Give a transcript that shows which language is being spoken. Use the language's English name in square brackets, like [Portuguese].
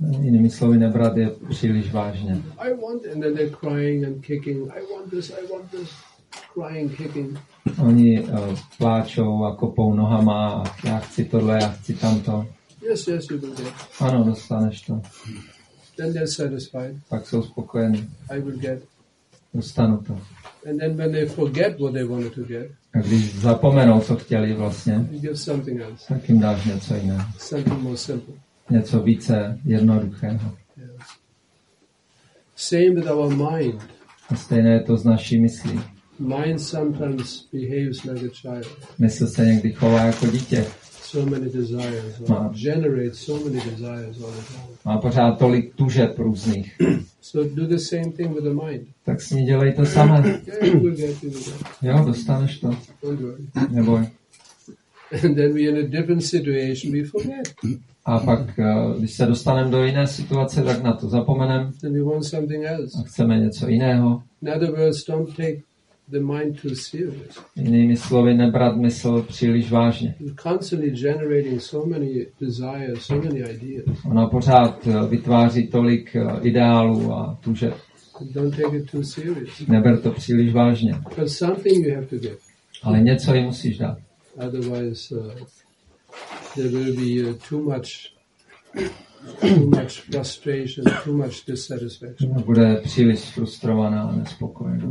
[Czech] Jinými slovy, nebrat je příliš vážně. [English] I want, and then they're crying and kicking. I want this. Crying, kicking. [Czech] Oni pláčou a kopou nohama a já chci tohle, já chci tamto. [English] Yes, you will get. [Czech] Ano, dostaneš to. [English] Then they're satisfied. [Czech] Pak jsou spokojeni. [English] I will get. [Czech] Dostanu to. [English] And then when they forget what they wanted to get. [Czech] A když zapomenou, co chtěli vlastně. [English] You give something else. [Czech] Tak jim dáš něco jiného. [English] Something more simple. [Czech] Něco více jednoduchého. [English] Yes. Same with our mind. [Czech] A stejné je to s naší myslí. [English] Mind sometimes behaves like a child. [Czech] Mysl se někdy chová jako dítě. [English] So many desires. Or generates so many desires all the time. [Czech] Má pořád tolik tužeb různých. [English] So do the same thing with the mind. [Czech] Tak s ní dělej to samé. [English] Yeah, [Czech] jo, dostaneš to. [English] Don't worry. [Czech] Neboj. [English] And then we're in a different situation, we forget. [Czech] A pak, když se dostaneme do jiné situace, tak na to zapomenem. [English] Then we want something else. [Czech] A chceme něco jiného. [English] In other words, don't take the mind too serious. [Czech] Jinými slovy, nebrat mysl příliš vážně. [English] Constantly generating so many desires, so many ideas. [Czech] Ona pořád vytváří tolik ideálů a tužeb. [English] Don't take it too serious. [Czech] Neber to příliš vážně. [English] But something you have to give. [Czech] Ale něco jí musíš dát. [English] Otherwise there will be too much frustration, too much dissatisfaction. [Czech] Ona bude příliš frustrovaná a nespokojená.